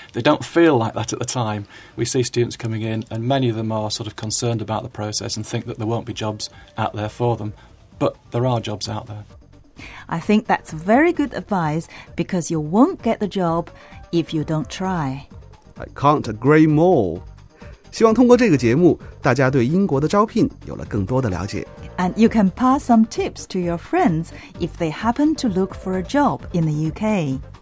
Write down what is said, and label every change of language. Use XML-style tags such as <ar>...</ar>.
<en>They don't feel like that at the time. We see students coming in and many of them are sort of concerned about the process and think that there won't be jobs out there for them. But there are jobs out there. I think that's very good advice because you won't get the job if you don't try. I can't agree more.</en> <zh>希望通过这个节目，大家对英国的招聘有了更多的了解。</zh> <en>And you can pass some tips to your friends if they happen to look for a job in the UK.</en>